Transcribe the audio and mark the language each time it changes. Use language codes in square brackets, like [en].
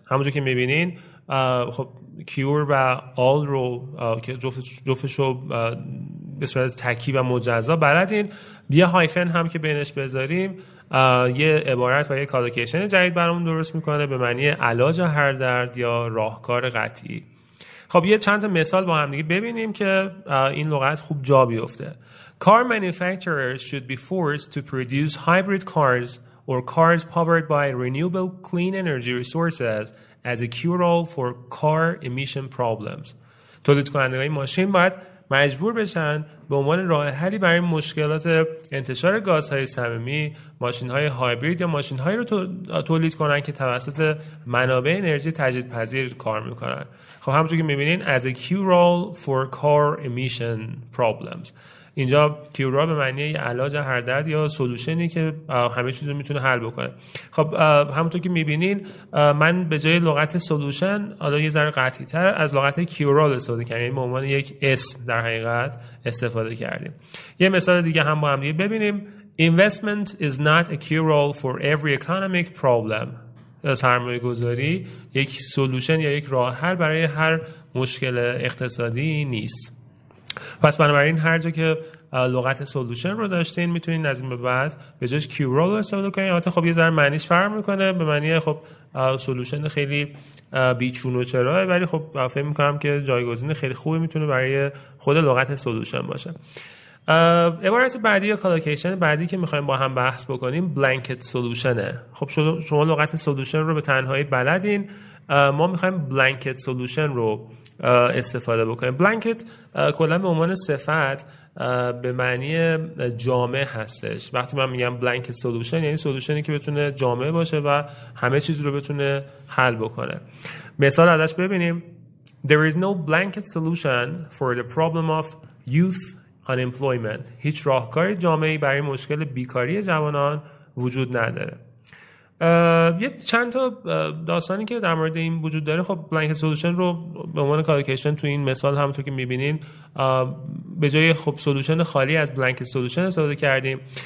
[fa] همونجور که میبینین خب کیور و آل رو که جفتش رو به صورت تکی و مجزا بلدین، یه هایفن هم که بینش بذاریم یه عبارت و یه کالوکیشن جدید برامون درست میکنه به معنی علاج هر درد یا راهکار قطعی. خب یه چند تا مثال با همدیگه ببینیم که این لغت خوب جا بیفته. [en] Car manufacturers should be forced to produce hybrid cars or cars powered by renewable clean energy resources as a cure-all for car emission problems. [fa] تولیدکنندگان ماشین باید مجبور بشن به عنوان راه حلی برای مشکلات انتشار گازهای سمی ماشین‌های هایبرید یا ماشین‌هایی رو تولید کنن که توسط منابع انرژی تجدیدپذیر کار می‌کنن. خب همونجوری که می‌بینین [en] as a cure-all for car emission problems. [fa] اینجا کیورا به معنی علاج هر درد یا سلوشنی که همه چیز رو میتونه حل بکنه. خب همونطور که میبینین من به جای لغت سلوشن حالا یه ذره قطعی تر از لغت کیورال استفاده کردم، یعنی به عنوان یک اسم در حقیقت استفاده کردیم. یه مثال دیگه هم با هم دیگه ببینیم. [en] Investment is not a cure-all for every economic problem. [fa] سرمایه گذاری یک سلوشن یا یک راه حل برای هر مشکل اقتصادی نیست. پس بنابراین هر جا که لغت سولوشن رو داشتین میتونین از این به بعد به جاش کیورال استفاده کنین. البته خب یه ذره معنیش فرق میکنه، به معنی خب سولوشن خیلی بیچون و چرا، ولی خب فکر میکنم که جایگزین خیلی خوبی میتونه برای خود لغت سولوشن باشه. عبارت بعدی یا کالوکیشن بعدی که میخوایم با هم بحث بکنیم بلانکت سولوشنه. خب شما لغت سولوشن رو به تنهایی بلدین، ما میخوایم بلانکت سولوشن رو استفاده بکنیم. بلانکت کلا به عنوان صفت به معنی جامع هستش. وقتی من میگم بلانکت سولوشن یعنی سولوشنی که بتونه جامع باشه و همه چیز رو بتونه حل بکنه. مثال ازش ببینیم. [en] There is no blanket solution for the problem of youth unemployment. [fa] هیچ راهکاری جامعی برای مشکل بیکاری جوانان وجود نداره. یه چند تا داستانی که در مورد این وجود داره، خب بلانکت سولوشن رو به عنوان کالوکیشن تو این مثال همونطور که میبینین به جای خب سولوشن خالی از بلانکت سولوشن استفاده کردیم.